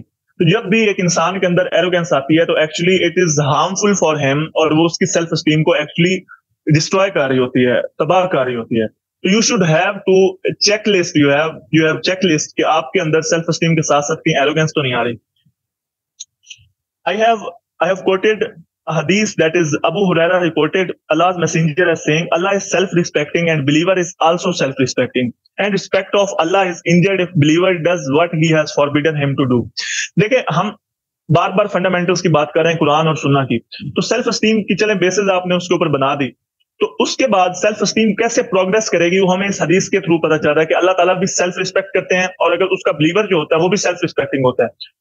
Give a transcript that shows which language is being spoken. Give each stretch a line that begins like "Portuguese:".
Urdu: تو جب بھی ایک انسان کے اندر ایروگنس آتی ہے تو
English: actually it is harmful for him,
Urdu: اور وہ اس کی سیلف اسٹیم کو ایکچولی destroy کر رہی ہوتی ہے, تباہ کر رہی ہوتی ہے. تو
English: you should have to checklist,
Urdu: you have check list کہ آپ کے اندر سیلف اسٹیم کے ساتھ ساتھ کہیں ایروگنس تو نہیں آ رہی.
English: I have quoted a hadith that is Abu Huraira reported, Allah's messenger is saying, Allah is self-respecting and believer is also self-respecting. And respect of Allah is injured if believer does what he has forbidden him to do.
Urdu: دیکھیں, ہم بار بار fundamentals کی بات کر رہے ہیں قرآن اور سنہ کی. تو سیلف اسٹیم کی چلیں بیسز آپ نے اس کے اوپر بنا دی, تو اس کے بعد سیلف اسٹیم کیسے پروگرس کرے گی وہ ہمیں اس حدیث کے تھرو پتا چل رہا ہے کہ اللہ تعالیٰ بھی سیلف ریسپیکٹ کرتے ہیں, اور اگر اس کا بلیور جو ہوتا ہے وہ بھی سیلف ریسپیکٹنگ ہوتا ہے.